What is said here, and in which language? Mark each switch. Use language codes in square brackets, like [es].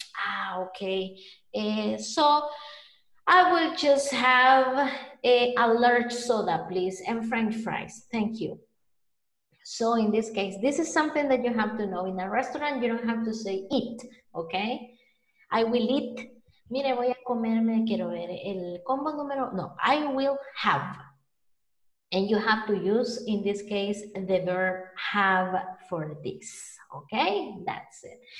[en] Ah, okay. So I will just have a large soda, please, and French fries. Thank you. So in this case, this is something that you have to know. In a restaurant, you don't have to say eat, okay? I will eat. [es] Mire, voy a comerme, quiero ver el combo número. [en] No, I will have. And you have to use, in this case, the verb have for this, okay? That's it.